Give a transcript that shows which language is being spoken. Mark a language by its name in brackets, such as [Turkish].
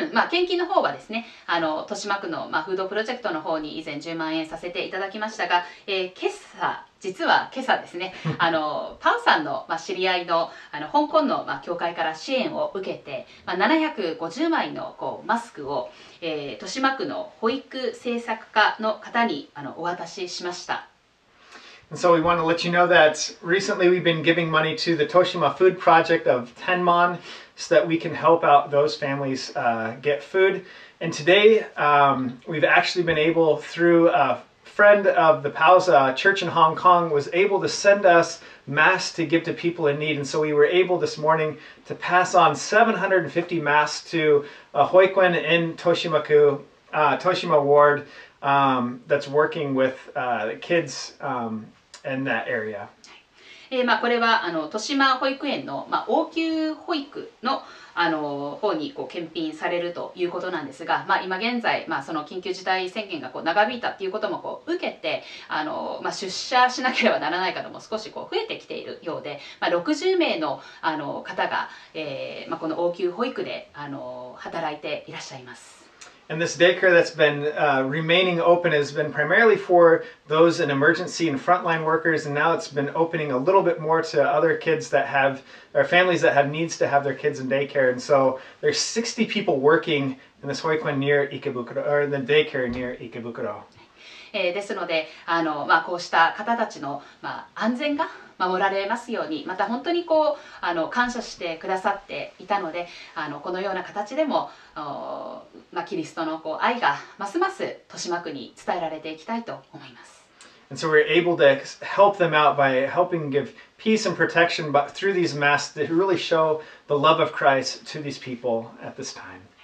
[Japanese] 献金の方はですね、豊島区の、フードプロジェクトの方に以前10万円させていただきましたが、今朝ですね、パオさんの、知り合いの、香港の、教会から支援を受けて、750枚のこうマスクを、豊島区の保育政策課の方にお渡ししました。 [English] And so we want to let you know that recently we've been giving money to the Toshima Food Project of 10 mon so that we can help out those families get food. And today we've actually been able, through a friend of the Pao's church in Hong Kong, was able to send us masks to give to people in need. And so we were able this morning to pass on 750 masks to a hoikuen in Toshima Ward that's working with the kids. In that area. [Japanese] これは豊島保育園の、応急保育の、方にこう検品されるということなんですが、今現在、その緊急事態宣言がこう長引いたということもこう受けて出社しなければならない方も少しこう増えてきているようで、60名の、方が、この応急保育で働いていらっしゃいます。 [English] And this daycare that's been remaining open has been primarily for those in emergency and frontline workers, and now it's been opening a little bit more to other kids that have, or families that have needs to have their kids in daycare. And so there's 60 people working in this hoikuen near Ikebukuro, or in the daycare near Ikebukuro. [Japanese] ですので、こうした方たちの、安全が守られますように、また本当にこう感謝してくださっていたので、このような形でも、キリストのこう愛がますます豊島区に伝えられていきたいと思います。 [English] And so we're able to help them out by helping give peace and protection through these masks to really show the love of Christ to these people at this time.